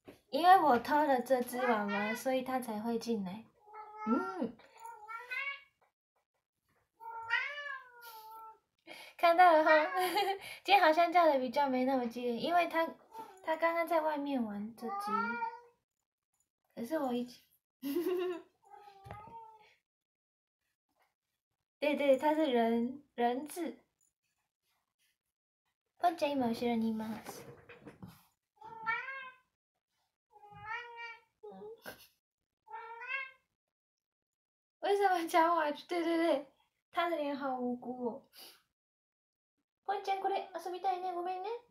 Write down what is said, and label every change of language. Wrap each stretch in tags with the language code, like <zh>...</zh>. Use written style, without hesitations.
<zh>因为我偷了这只娃娃，所以他才会进来。嗯，看到了哈，今天好像叫的比较没那么激烈，因为他刚刚在外面玩这只，可是我已经，对对，他是人质。</zh> <ja>ポンちゃん今後ろにいます。</ja> <zh>为什么讲我？对对对，他的脸好无辜哦。</zh> <ja>ポンちゃんこれ遊びたいね、ごめんね。</ja>